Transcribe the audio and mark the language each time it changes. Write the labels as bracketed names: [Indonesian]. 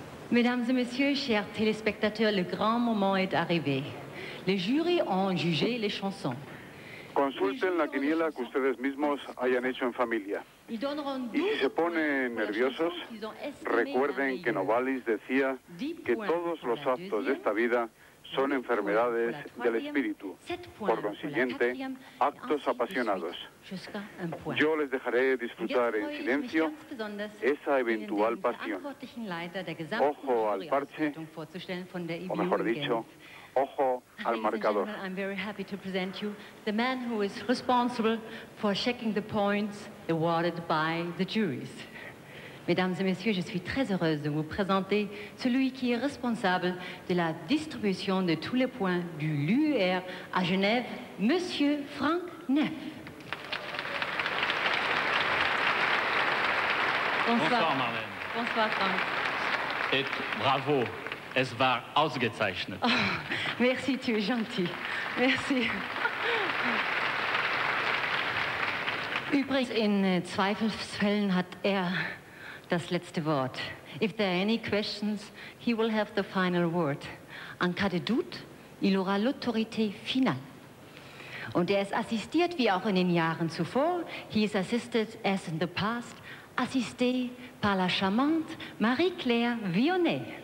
[French] Mesdames et messieurs, chers téléspectateurs, le grand moment est arrivé. Les jurys ont jugé les chansons. [Spanish] Consulten la quiniela que ustedes mismos hayan hecho en familia. Y si se ponen nerviosos, recuerden que Novalis decía que todos los actos de esta vida son enfermedades del espíritu. Por consiguiente, actos apasionados. Yo les dejaré disfrutar en silencio esa eventual pasión. Ojo al parche, o mejor dicho, ojo al marcador. [English] I'm very happy to present you the man who is responsible for checking the points awarded by the juries. [French] Mesdames et messieurs, je suis très heureuse de vous présenter celui qui est responsable de la distribution de tous les points du LUR à Genève, Monsieur Franck Neff. Bonsoir. Bonsoir, Marlène. Bonsoir, Franck. Et bravo. [German] Es war ausgezeichnet. [French] Oh, merci, tu es gentil. Merci. [German] Übrigens, in Zweifelsfällen hat das letzte Wort. [English] If there are any questions, he will have the final word. [French] En cas de doute, il aura l'autorité finale. [German] Und ist assistiert, wie auch in den Jahren zuvor. [English] He is assisted, as in the past, [French] assisté par la charmante [German] Marie-Claire Vionnet.